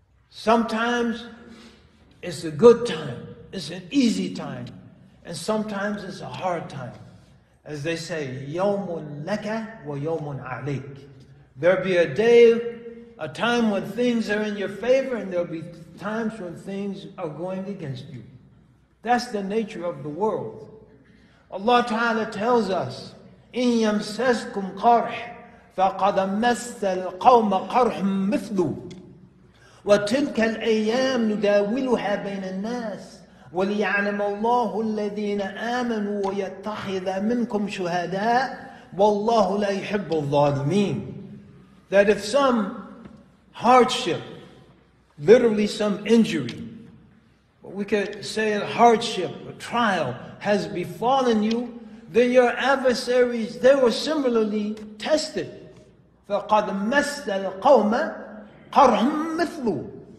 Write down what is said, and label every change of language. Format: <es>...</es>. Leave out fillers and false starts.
<en>Sometimes it's a good time, it's an easy time, and sometimes it's a hard time. As they say,</en> <ar>yawmun laka wa yawmun alayk.</ar> <en>There'll be a day, a time when things are in your favor, and there'll be times when things are going against you. That's the nature of the world. Allah Ta'ala tells us,</en> <ar>in yamsaskum qarh, فَقَدْ مَسَّ الْقَوْمَ قَرْحٌ مِثْلُ وَتِلْكَ الْأَيَّامُ نُدَاوِلُهَا بَيْنَ النَّاسِ وَلِيَعْلَمَ اللَّهُ الَّذِينَ آمَنُوا وَيَتَّخِذَ مِنْكُمْ شُهَدَاءَ وَاللَّهُ لَا يُحِبُّ الظَّالِمِينَ.</ar> <en>That if some hardship, literally some injury, but we could say a hardship, a trial, has befallen you, then your adversaries, they were similarly tested.</en> <ar>فَقَدْ مَسَّ الْقَوْمَ قَرْحٌ مِثْلُ.</ar>